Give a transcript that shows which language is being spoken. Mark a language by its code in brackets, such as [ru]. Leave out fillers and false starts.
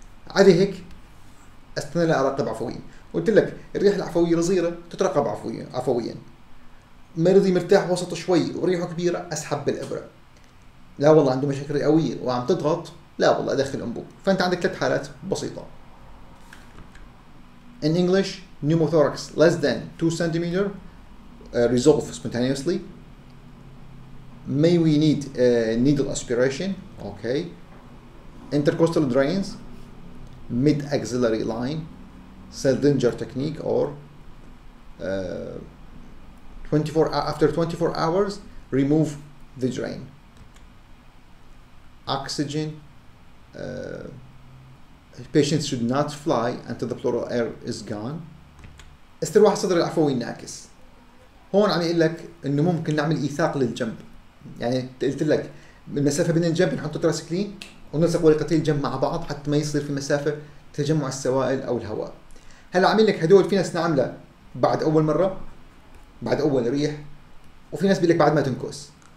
[ar] عادي هيك أستنى لأراقب عفويا. قلت لك الريح العفوية صغيرة تترقب عفويا. مريضي مرتاح وسطه شوي وريحه كبيرة أسحب بالإبرة. لا والله عنده مشاكل رئوية وعم تضغط، لا والله أدخل أنبوب. فأنت عندك ثلاث حالات بسيطة. [en] In English, pneumothorax less than 2 cm. Resolve spontaneously. May we need needle aspiration? Okay. Intercostal drains, mid axillary line, Seldinger technique, or 24 after 24 hours, remove the drain. Oxygen. Patients should not fly until the pleural air is gone. [ar] استرواح صدر العفوي الناكس. هون عم يقول لك انه ممكن نعمل ايثاق للجنب. يعني قلت لك المسافه بين الجنب نحط تراسكلين ونلصق ورقتين الجنب مع بعض حتى ما يصير في مسافه تجمع السوائل او الهواء. هلا عم يقول لك هدول في ناس نعمله بعد اول مره بعد اول ريح، وفي ناس بيقول لك بعد ما تنكس.